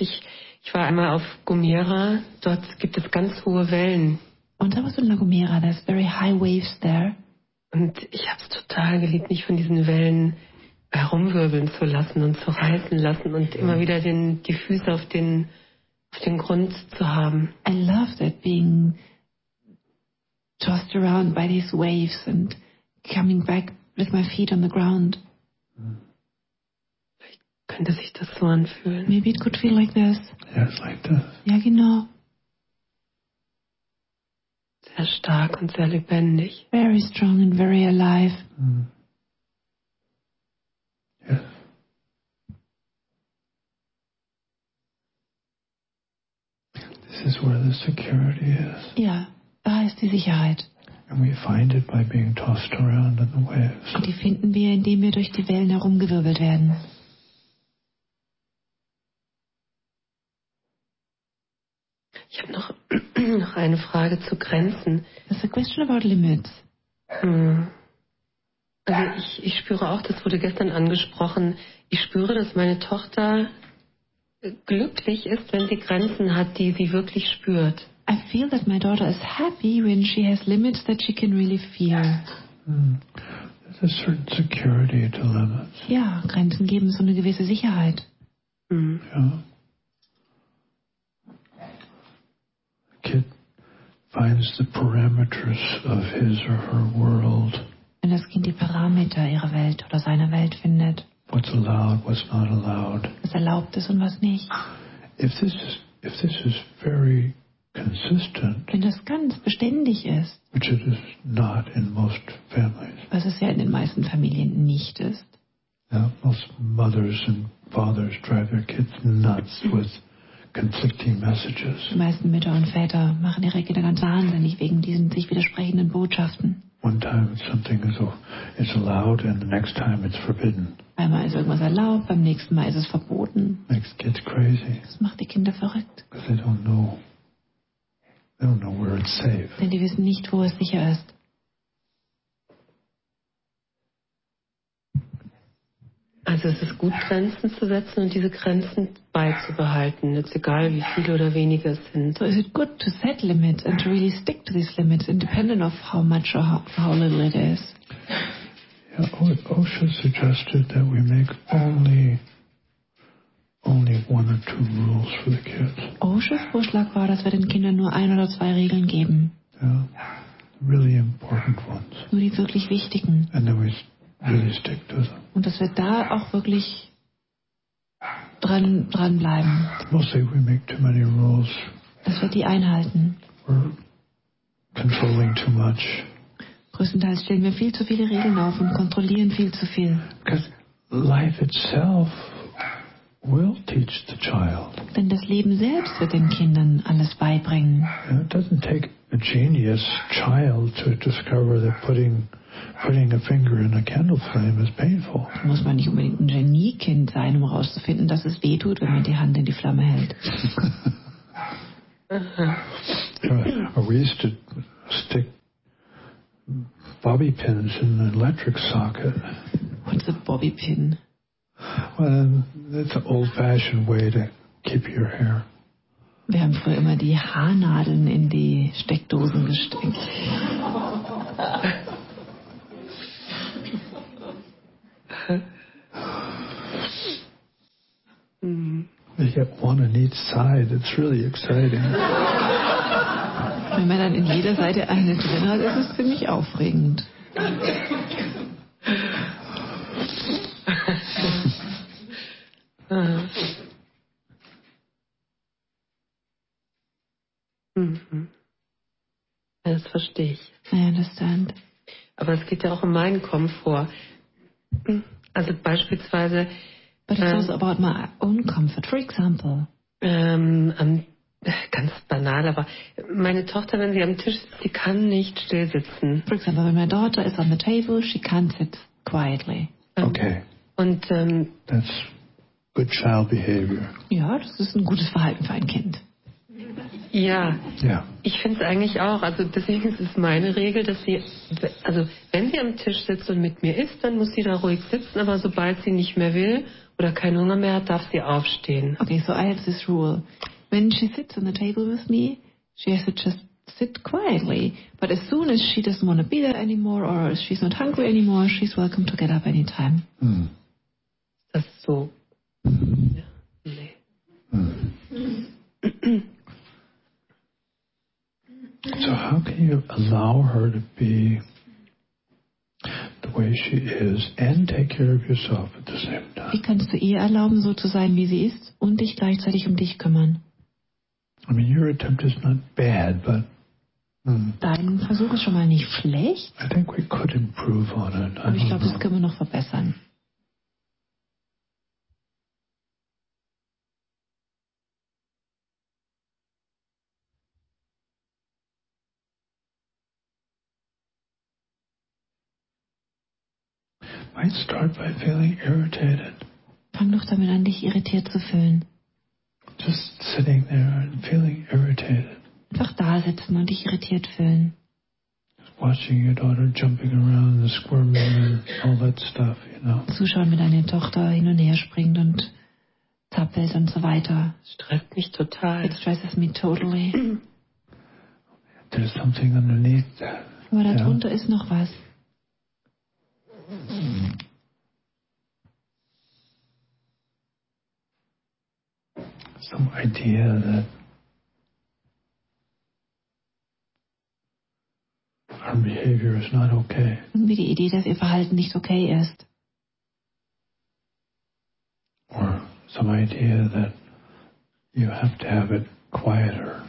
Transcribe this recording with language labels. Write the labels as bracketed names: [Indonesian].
[German] Ich war einmal auf Gomera, dort gibt es ganz hohe Wellen. Und da warst du in La Gomera, [English] there's very high waves there. [German] Und ich habe es total geliebt, mich von diesen Wellen herumwirbeln zu lassen und zu reißen lassen und immer wieder die Füße auf den Grund zu haben. [English] I loved it, being tossed around by these waves and coming back with my feet on the ground. [German] Könnte sich das so anfühlen. [English] Maybe it could feel like this. Yes, like this. [German] Ja, genau. Sehr stark und sehr lebendig. [English] Very strong and very alive. Mm. Yes. This is where the security is. [German] Ja, da ist die Sicherheit. [English] And we find it by being tossed around in the waves. [German] Und die finden wir, indem wir durch die Wellen herumgewirbelt werden. Ich habe noch eine Frage zu Grenzen. [English] There's a question about limits. [German] Also ich spüre auch, das wurde gestern angesprochen, ich spüre, dass meine Tochter glücklich ist, wenn sie Grenzen hat, die sie wirklich spürt. [English] I feel that my daughter is happy when she has limits that she can really feel. There's a certain security to limits. [German] Ja, Grenzen geben so eine gewisse Sicherheit. Mm. Ja. [English] Kid finds the parameters of his or her world. [German] Wenn das Kind die Parameter ihrer Welt oder seiner Welt findet. [English] What's allowed, what's not allowed. [German] Was erlaubt ist und was nicht. [English] If this is very consistent. [German] Wenn das ganz beständig ist. [English] Which it is not in most families. [German] Was es ja in den meisten Familien nicht ist. [English] Yeah, most mothers and fathers drive their kids nuts with conflicting messages. [German] Die meisten Mütter und Väter machen ihre Kinder ganz wahnsinnig wegen diesen sich widersprechenden Botschaften. [English] One time something is allowed and the next time it's forbidden. [German] Einmal ist irgendwas erlaubt, beim nächsten Mal ist es verboten. [English] Makes kids crazy. [German] Das macht die Kinder verrückt. [English] Because they don't know. They don't know where it's safe. [German] Denn die wissen nicht, wo es sicher ist. Also es ist gut, Grenzen zu setzen und diese Grenzen beizubehalten, jetzt egal wie viele oder wenige es sind. [English] So is it good to set limits and to really stick to these limits, independent of how much or how little it is? Yeah, Osha suggested that we make only one or two rules for the kids. [German] Oshas Vorschlag war, dass wir den Kindern nur ein oder zwei Regeln geben. [English] Yeah, really important ones. [German] Nur die wirklich wichtigen. [English] And then we really stick to them. [German] Und dass wir da auch wirklich dran bleiben. [English] Mostly we make too many rules. [German] Dass wir die einhalten. [English] We're controlling too much. [German] Größtenteils stellen wir viel zu viele Regeln auf und kontrollieren viel zu viel. [English] Because life itself will teach the child. [German] Denn das Leben selbst wird den Kindern alles beibringen. [English] It doesn't take a genius child to discover that putting a finger in a candle flame is painful. [German] Muss man nicht unbedingt ein Geniekind sein, um herauszufinden, dass es weh tut, wenn man die Hand in die Flamme hält. [English] We used to stick bobby pins in the electric socket. What's a bobby pin? Well, it's an old-fashioned way to keep your hair. [German] Wir haben früher immer die Haarnadeln in die Steckdosen gesteckt. [English] You get one on each side. It's really exciting. [German] Wenn man dann in jeder Seite eine drin hat, ist es ziemlich aufregend. Mm-hmm. Das verstehe ich. [English] I understand. [German] Aber es geht ja auch um meinen Komfort. Also beispielsweise... [English] But it's also about my own comfort, for example. [German] Ganz banal, aber meine Tochter, wenn sie am Tisch sitzt, sie kann nicht still sitzen. [English] For example, when my daughter is on the table, she can't sit quietly. Okay. [German] Und [English] that's good child behavior. [German] Ja, das ist ein gutes Verhalten für ein Kind. Ja. Ja. Ich finde es eigentlich auch. Also deswegen ist es meine Regel, dass sie, also wenn sie am Tisch sitzt und mit mir isst, dann muss sie da ruhig sitzen. Aber sobald sie nicht mehr will oder keinen Hunger mehr hat, darf sie aufstehen. [English] Okay, so I have this rule. When she sits on the table with me, she has to just sit quietly. But as soon as she doesn't want to be there anymore or she's not hungry anymore, she's welcome to get up anytime. [German] Mm. Das ist so. Ja. Nee. [English] So how can you allow her to be the way she is and take care of yourself at the same time? [German] Wie kannst du ihr erlauben, so zu sein, wie sie ist, und dich gleichzeitig um dich kümmern? [English] I mean, your attempt is not bad, but [German] Dein Versuch ist schon mal nicht schlecht. [English] I think we could improve on it. [German] Aber ich glaube, das können wir noch verbessern. [English] Might start by feeling irritated. [German] Fang doch damit an, dich irritiert zu fühlen. [English] Just sitting there and feeling irritated. [German] Einfach da sitzen und dich irritiert fühlen. [English] Watching your daughter jumping around and squirming and all that stuff, you know. [German] Zuschauen, wie deine Tochter hin und her springt und zappelt und so weiter. Stresst mich total. [English] It stresses me totally. There's something underneath that. [German] Aber darunter ist noch was. [English] Some idea that our behavior is not okay. [German] Irgendwie die Idee, dass ihr Verhalten nicht okay ist. [English] Or some idea that you have to have it quieter.